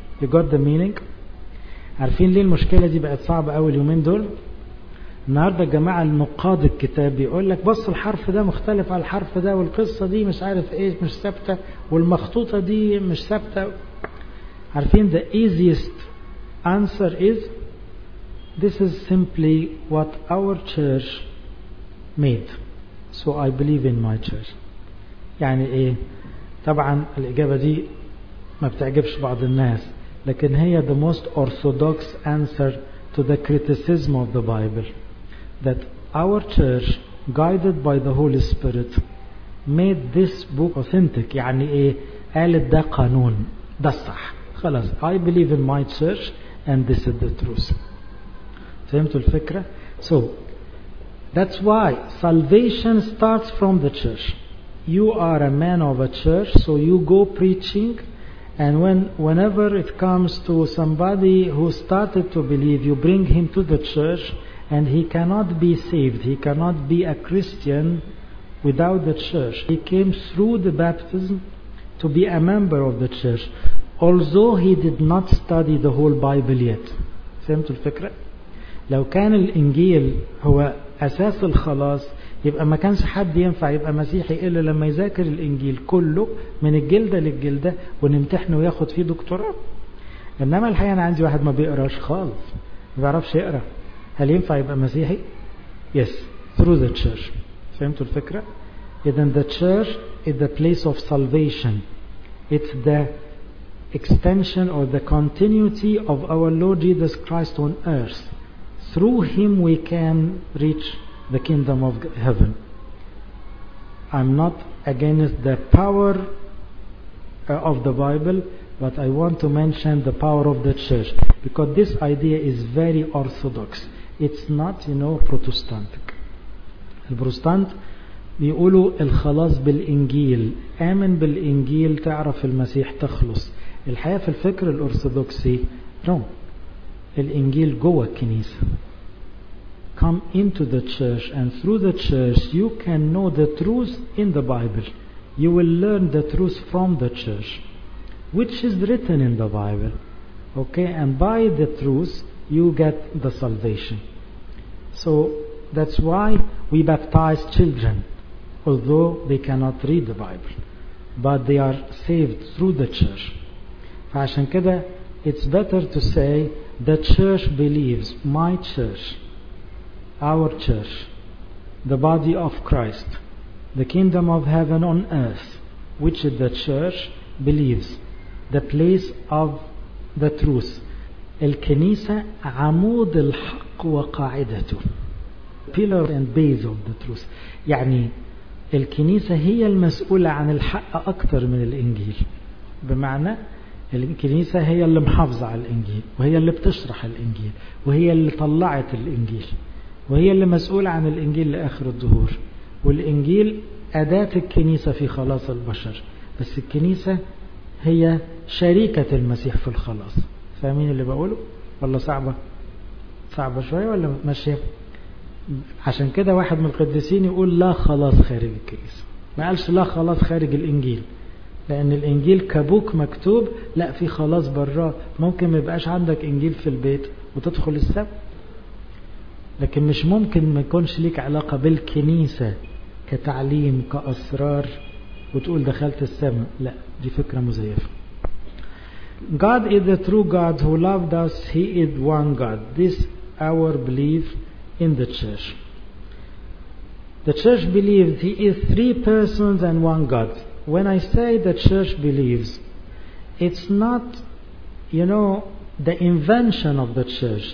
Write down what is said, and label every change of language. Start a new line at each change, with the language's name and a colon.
English: You got the meaning?
Arabic: عارفين ليه المشكلة دي بقت صعبة أول يومين دول؟ النهاردة الجماعة النقاد الكتاب بيقول لك بص الحرف ده مختلف على الحرف ده والقصة دي مش عارف ايه مش ثابتة والمخطوطة دي مش ثابتة. عارفين
English: the easiest answer is this is simply what our church made. So I believe in my church.
Arabic: يعني ايه؟ طبعا الاجابة دي ما بتعجبش بعض الناس لكن هي
English: the most orthodox answer to the criticism of the Bible. That our church guided by the Holy Spirit made this book authentic.
Arabic: يعني ايه؟ قالت ده قانون ده الصح.
English: خلاص I believe in my church and this is the truth.
Arabic: فهمتوا الفكرة؟
English: So That's why salvation starts from the church. You are a man of a church, so you go preaching, and whenever it comes to somebody who started to believe, you bring him to the church, and he cannot be saved. He cannot be a Christian without the church. He came through the baptism to be a member of the church, although he did not study the whole Bible yet.
Arabic: فهمت الفكرة؟ لو كان الإنجيل هو أساس الخلاص يبقى ما كانش حد ينفع يبقى مسيحي إلا لما يذاكر الإنجيل كله من الجلدة للجلدة ونمتحنه وياخد فيه دكتوراه. إنما الحقيقة أنا عندي واحد ما بيقراش خالص ما بيعرفش يقرأ، هل ينفع يبقى مسيحي؟
English: Yes, through the church.
Arabic: فهمتوا الفكرة؟ إذن
English: the church is the place of salvation. It's the extension or the continuity of our Lord Jesus Christ on earth. Through him we can reach the kingdom of heaven. I'm not against the power of the Bible, but I want to mention the power of the church. Because this idea is very orthodox. It's not, you know, protestantic.
Arabic: البروتستانت بيقولوا الخلاص بالإنجيل. آمن بالإنجيل تعرف المسيح تخلص. الحياة في الفكر الأرثوذكسي. No. الإنجيل جوه الكنيسة.
English: come into the church, and through the church you can know the truth in the Bible. You will learn the truth from the church, which is written in the Bible. Okay, and by the truth you get the salvation. So that's why we baptize children, although they cannot read the Bible, but they are saved through the church.
Arabic: فعشان كده,
English: it's better to say the church believes, my church, our church, the body of Christ, the kingdom of heaven on earth, which the church believes, the place of the truth.
Arabic: الكنيسة عمود الحق وقاعدته,
English: pillar and base of the truth.
Arabic: يعني الكنيسة هي المسؤولة عن الحق أكثر من الإنجيل. بمعنى الكنيسة هي اللي محافظة على الإنجيل, وهي اللي بتشرح الإنجيل, وهي اللي طلعت الإنجيل, وهي اللي مسؤولة عن الإنجيل لآخر الظهور. والإنجيل أداة الكنيسة في خلاص البشر, بس الكنيسة هي شريكة المسيح في الخلاص. فاهمين اللي بقوله؟ والله صعبة, صعبة شوية ولا ماشية؟ عشان كده واحد من القديسين يقول لا خلاص خارج الكنيسة, ما قالش لا خلاص خارج الإنجيل, لأن الإنجيل كبوك مكتوب, لا في خلاص براه. ممكن ما يبقاش عندك إنجيل في البيت وتدخل السبت, لكن مش ممكن ما يكونش ليك علاقة بالكنيسة كتعليم كأسرار وتقول دخلت السماء. لا, دي فكرة مزيفة.
English: God is the true God who loved us. He is one God. This our belief in the church. The church believes He is three persons and one God. When I say the church believes, it's not, you know, the invention of the church.